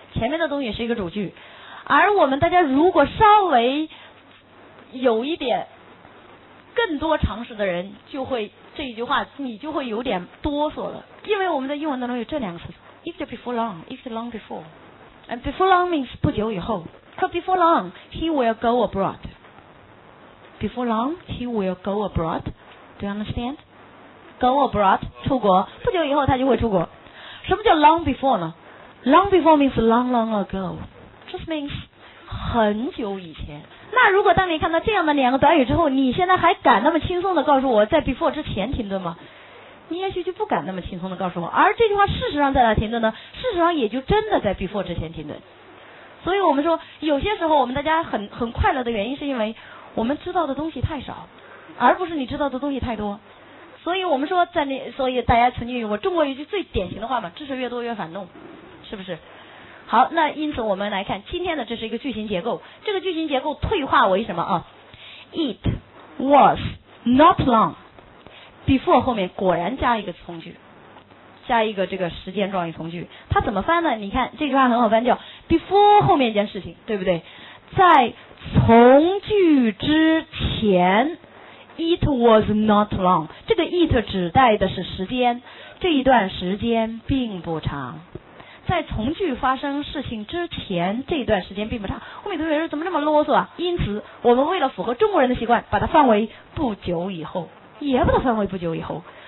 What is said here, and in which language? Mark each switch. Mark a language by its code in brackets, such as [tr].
[zh] 前面的东西是一个主句。而我们大家如果稍微有一点更多常识的人，就会这一句话你就会有点哆嗦了，因为我们在英文当中有这两个词 [en] it's before long， it's long before， and before long means [zh] 不久以后。 [en] So before long he will go abroad， before long he will go abroad， do you understand？ go abroad [zh] 出国，不久以后他就会出国。什么叫 [en] long before [zh] 呢？ [en] long before means long long ago， just means [zh] 很久以前。那如果当你看到这样的两个短语之后，你现在还敢那么轻松的告诉我在 before 之前停顿吗？你也许就不敢那么轻松的告诉我。而这句话事实上在哪停顿呢？事实上也就真的在 before 之前停顿。所以我们说有些时候我们大家很快乐的原因是因为我们知道的东西太少，而不是你知道的东西太多。所以我们说在那，所以大家曾经用过中国有句最典型的话嘛，知识越多越反动，是不是？好，那因此我们来看今天的，这是一个句型结构，这个句型结构退化为什么啊？ [en] It was not long before [zh] 后面果然加一个从句，加一个这个时间状语从句，它怎么翻呢？你看这句话很好翻，叫 before 后面一件事情，对不对？在从句之前 ， [en] it was not long。 [zh] 这个 it 指代的是时间，这一段时间并不长。在从句发生事情之前，这一段时间并不长。后面同学说怎么这么啰嗦啊？因此，我们为了符合中国人的习惯，把它放为不久以后，也把它分为不久以后。